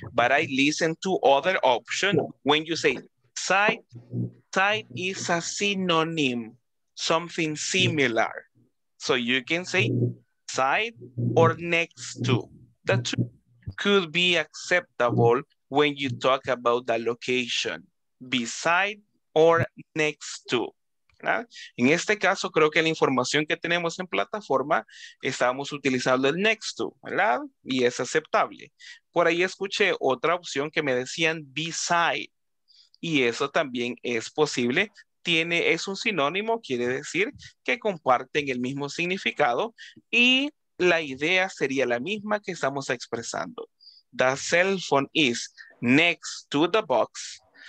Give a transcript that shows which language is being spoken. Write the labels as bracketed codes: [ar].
[en] But I listen to other option. When you say type, type is a synonym, something similar. So you can say side or next to. That could be acceptable when you talk about the location, beside or next to. [es] En este caso, creo que la información que tenemos en plataforma, estábamos utilizando el next to, ¿verdad? Y es aceptable. Por ahí escuché otra opción que me decían beside. Y eso también es posible. Tiene, es un sinónimo, quiere decir que comparten el mismo significado y la idea sería la misma que estamos expresando. [en] The cell phone is next to the box.